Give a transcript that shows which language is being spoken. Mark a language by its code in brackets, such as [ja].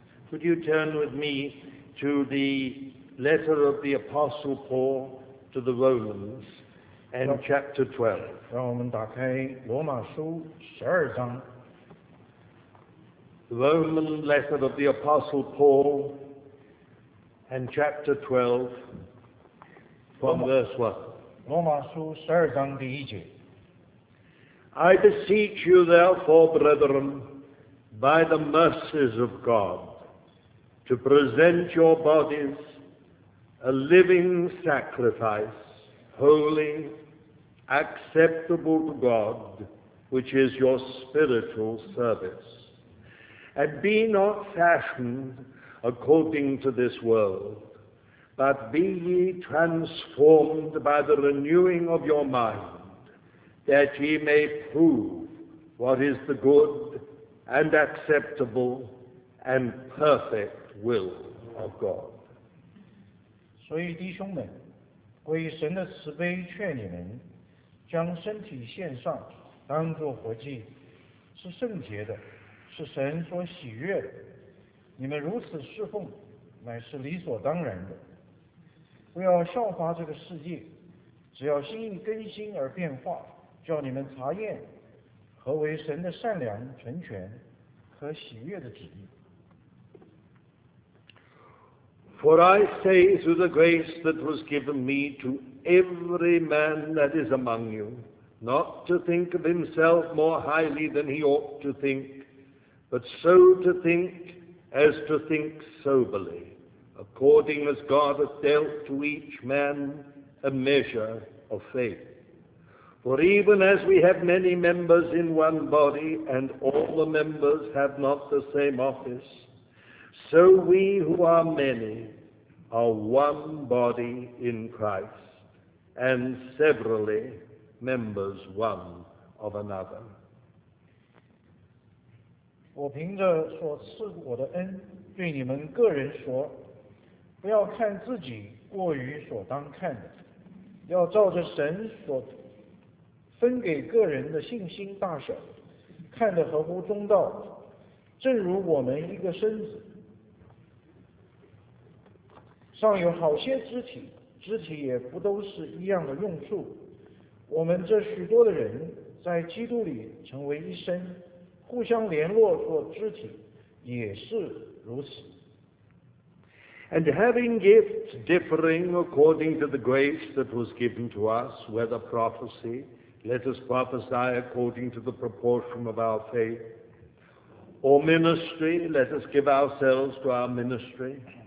[en] Could you turn with me to the letter of the Apostle Paul to the Romans and chapter 12? [zh] 让我们打开罗马书十二章。 [en] The Roman letter of the Apostle Paul and chapter 12 from verse 1. [zh] 罗马书十二章第一节。 [en] I beseech you therefore, brethren, by the mercies of God, to present your bodies a living sacrifice, holy, acceptable to God, which is your spiritual service. And be not fashioned according to this world, but be ye transformed by the renewing of your mind. That ye may prove what is the good and acceptable and perfect will of God. [zh] 所以弟兄们，我以神的慈悲劝你们，将身体献上，当作活祭，是圣洁的，是神所喜悦的。你们如此侍奉，乃是理所当然的。不要效法这个世界，只要心意更新而变化。叫你们查验何为神的善良、成全和喜悦的旨意。 [en] For I say through the grace that was given me to every man that is among you, not to think of himself more highly than he ought to think, but so to think as to think soberly, according as God hath dealt to each man a measure of faith. For even as we have many members in one body, and all the members have not the same office, so we who are many are one body in Christ, and severally members one of another. [zh] 我凭着所赐我的恩对你们个人说，不要看自己过于所当看的，要照着神所分给个人的信心大小，看得合乎中道，正如我们一个身子，上有好些肢体，肢体也不都是一样的用处。我们这许多的人，在基督里成为一身，互相联络做肢体，也是如此。 [en] And having gifts differing according to the grace that was given to us, whether prophecy. Let us prophesy according to the proportion of our faith. Or ministry, let us give ourselves to our ministry.